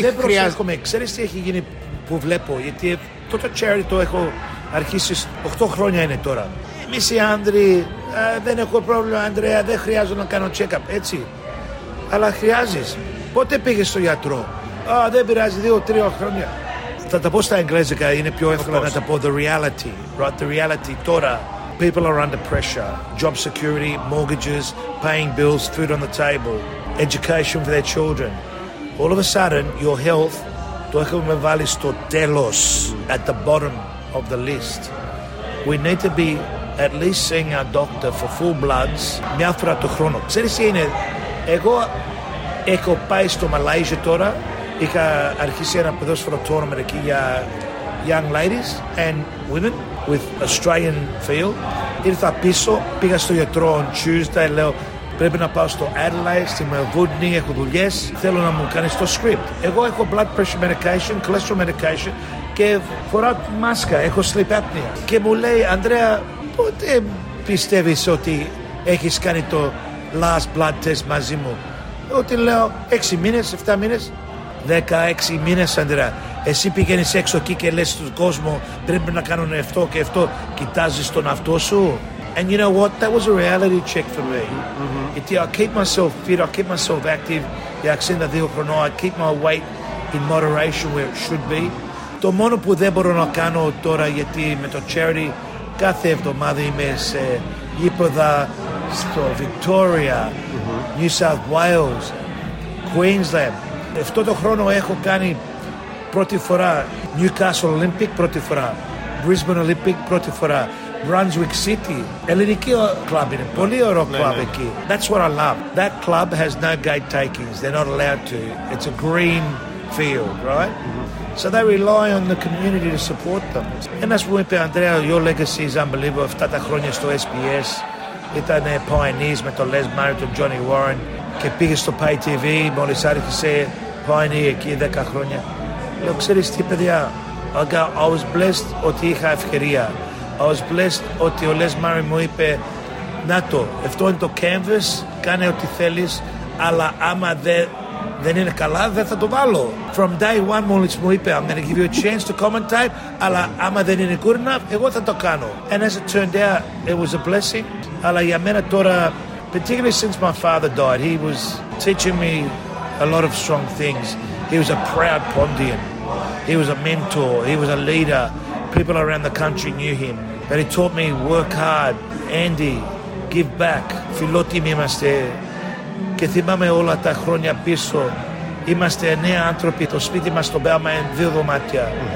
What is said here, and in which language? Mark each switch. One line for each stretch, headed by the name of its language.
Greek: δεν προσέχουμε, ξέρεις τι έχει γίνει που βλέπω, γιατί το charity το έχω αρχίσει 8 χρόνια είναι τώρα. Εμείς οι άνδροι, δεν έχω πρόβλημα, Ανδρέα, δεν χρειάζομαι να κάνω check-up, έτσι. Αλλά χρειάζεις. Πότε πήγες στο γιατρό? Α, δεν πειράζει, 2-3 χρόνια. Θα τα πω στα αγγλικά, είναι πιο εύκολο να τα πω.
English: The reality τώρα. People are under pressure. Job security, mortgages, paying bills, food on the table, education for their children. All of a sudden, your health,
Greek: το έχουμε βάλει στο τέλος,
English: at the bottom of the list. We need to be at least seeing our doctor for full bloods
Greek: μια φορά το χρόνο. Ξέρεις τι είναι? Εγώ έχω πάει στο Μαλάιζια τώρα. Είχα αρχίσει ένα ποδόσφαιρο tournament εκεί για
English: young ladies and women with Australian feel.
Greek: Ήρθα πίσω, πήγα στο γιατρό
English: on Tuesday.
Greek: Λέω, πρέπει να πάω στο Adelaide, στη Μελβούρνη, έχω δουλειές. Θέλω να μου κάνεις το script. Εγώ έχω
English: blood pressure medication, cholesterol medication
Greek: και φοράω μάσκα, έχω
English: sleep apnea.
Greek: Και μου λέει, Ανδρέα, πότε πιστεύεις ότι έχεις κάνει το last blood test μαζί μου? Ότι λέω 6 μήνες, 7 μήνες. 16 μήνες, Άντρα. Εσύ πηγαίνεις έξω εκεί και λες στον κόσμο πρέπει να κάνουν αυτό και αυτό. Κοιτάζεις τον αυτό σου.
English: And you know what, that was a reality check for me.
Greek: Γιατί
English: I keep myself fit, I keep myself active
Greek: για 62 χρονών.
English: I keep my weight in moderation where it should be.
Greek: Το μόνο που δεν μπορώ να κάνω τώρα, γιατί με το charity κάθε εβδομάδα είμαι σε γήπεδα στο Victoria, New South Wales, Queensland. Αυτό το χρόνο έχω κάνει πρώτη φορά Newcastle Olympic, πρώτη φορά Brisbane Olympic, πρώτη φορά Brunswick City. Ελληνική κλαμπ είναι, πολύ ωραίο κλαμπ εκεί.
English: That's what I love. That club has no gate takings. They're not allowed to. It's a green field, right? So they rely on the community to support them. And as we said, Andrea, your legacy is unbelievable.
Greek: Αυτά τα χρόνια στο SBS ήταν pioneers με τον Les Murray, τον Johnny Warren. Και πήγε στο Pay TV, μόλις άρχισε pioneer εκεί 10 χρόνια. Λέω, ξέρεις τι, παιδιά,
English: I was blessed
Greek: ότι είχα ευκαιρία.
English: I was blessed
Greek: ότι ο Les Murray μου είπε, να το, αυτό είναι το canvas, κάνε ό,τι θέλεις, αλλά άμα δεν είναι καλά, δεν θα το βάλω.
English: From day one,
Greek: μόλις μου είπε,
English: I'm going to give you a chance to commentate,
Greek: αλλά άμα δεν είναι
English: good enough,
Greek: εγώ θα το κάνω.
English: And as it turned out, it was a blessing.
Greek: Αλλά για μένα τώρα,
English: particularly since my father died, he was teaching me a lot of strong things. He was a proud Pondian. He was a mentor. He was a leader. People around the country knew him. But he taught me work hard, Andy, give back.
Greek: Φιλότιμοι είμαστε. Και θυμάμαι όλα τα χρόνια πίσω. Είμαστε νέα άνθρωποι. Το σπίτι μας στο Μπέλμα είναι δύο δωμάτια.